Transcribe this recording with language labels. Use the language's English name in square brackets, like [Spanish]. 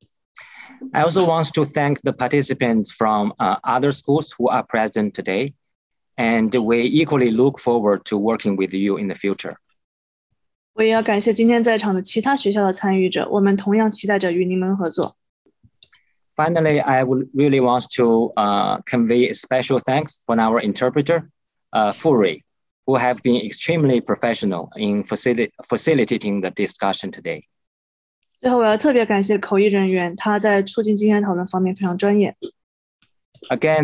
[English] also want to thank the participants from other schools who are present today, and we equally look forward to working with you in the future. [Chinese] 我也要感谢今天在场的其他学校的参与者，我们同样期待着与您们合作。 [English] Finally, I would really want to convey a special thanks for our interpreter, Furi, who have been extremely professional in facilitating the discussion today. [Chinese] 最后，我要特别感谢口译人员，他在促进今天讨论方面非常专业。 [English] Again,